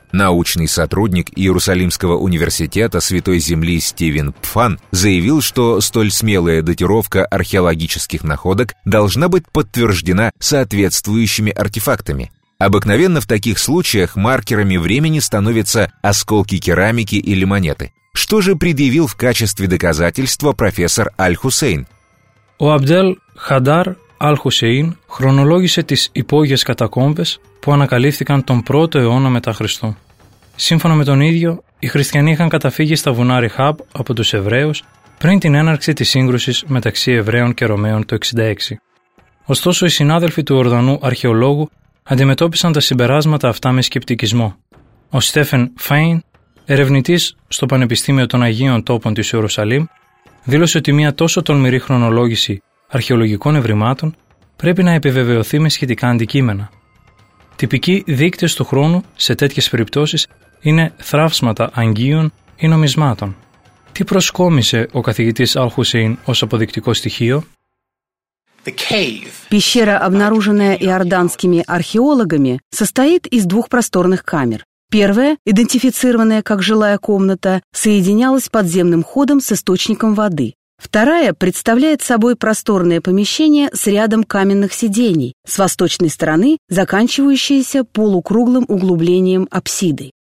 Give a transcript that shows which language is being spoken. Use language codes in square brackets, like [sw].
[ru] Научный сотрудник Иерусалимского университета Святой Земли Стивен Пфан заявил, что столь смелая датировка археологических находок должна быть подтверждена соответствующими артефактами. Обыкновенно в таких случаях маркерами времени становятся осколки керамики или монеты. Что же предъявил в качестве доказательства профессор Аль-Хусейн? [el] У Абдель Хадар Αλ-Χουσέιν χρονολόγησε τις υπόγειες κατακόμβες που ανακαλύφθηκαν τον 1ο αιώνα μετά Χριστού. Σύμφωνα με τον ίδιο, οι χριστιανοί είχαν καταφύγει στα βουνά Ριχάπ από τους Εβραίους πριν την έναρξη της σύγκρουσης μεταξύ Εβραίων και Ρωμαίων το 66. Ωστόσο, οι συνάδελφοι του Ορδανού αρχαιολόγου αντιμετώπισαν τα συμπεράσματα αυτά με σκεπτικισμό. Ο Στέφεν Φέιν, ερευνητής στο Πανεπιστήμιο των Αγίων Τόπων της Ιερουσαλήμ, δήλωσε ότι μια τόσο τολμηρή χρονολόγηση αρχαιολογικών ευρημάτων πρέπει να επιβεβαιωθεί με σχετικά αντικείμενα. Τυπικοί δείκτες του χρόνου σε τέτοιες περιπτώσεις είναι θράψματα αγγείων ή νομισμάτων. Τι προσκόμισε ο καθηγητής Αλ-Χουσέιν ως αποδεικτικό στοιχείο? [ru] Пещера, обнаруженная иорданскими археологами, состоит из двух просторных камер. Первая, идентифицированная как жилая комната, соединялась подземным ходом с источником воды. Вторая представляет собой просторное помещение с рядом каменных сидений, с восточной стороны, заканчивающееся полукруглым углублением апсиды.